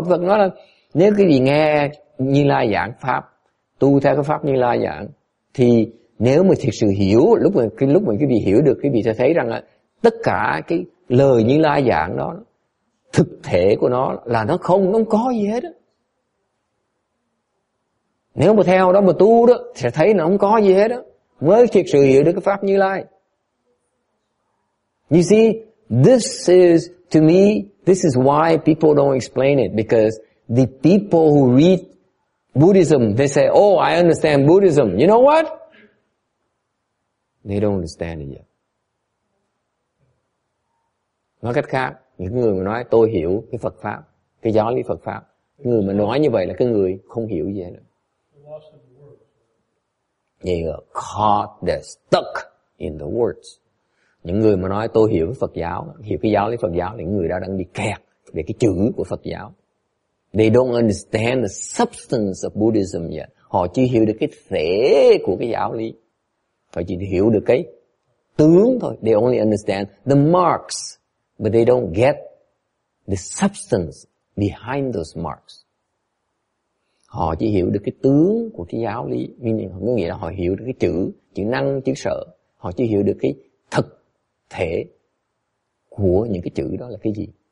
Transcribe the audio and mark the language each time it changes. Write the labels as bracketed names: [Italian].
[Vietnamese] Đức Phật nói là nếu quý vị nghe Như Lai giảng pháp, tu theo cái pháp Như Lai giảng, thì nếu mà thực sự hiểu, lúc mà quý vị hiểu được, quý vị sẽ thấy rằng là tất cả cái lời Như Lai giảng đó, thực thể của nó là nó không có gì hết á. Nếu mà theo đó mà tu đó sẽ thấy nó không có gì hết đó, mới thực sự hiểu được cái pháp Như Lai. [English] You see, this is to me, this is why people don't explain it, because the people who read Buddhism, they say, oh, I understand Buddhism. You know what? They don't understand it yet. [Vietnamese] Nói cách khác, những người mà nói tôi hiểu cái Phật pháp, cái giáo lý Phật pháp, người mà nói như vậy là cái người không hiểu gì hết. Những người [English] caught, they're stuck in the words. [Vietnamese] Những người mà nói tôi hiểu Phật giáo, hiểu cái giáo lý Phật giáo, những người đó đang bị kẹt về cái chữ của Phật giáo. [English] They don't understand the substance of Buddhism yet. [Vietnamese] Họ chưa hiểu được cái thể của cái giáo lý. Họ chỉ hiểu được cái tướng thôi. [English] They only understand the marks, but they don't get the substance behind those marks. [Vietnamese] Họ chỉ hiểu được cái tướng của cái giáo lý, có nghĩa là họ hiểu được cái chữ năng, chữ sở. Họ chỉ hiểu được cái thực thể của những cái chữ đó là cái gì.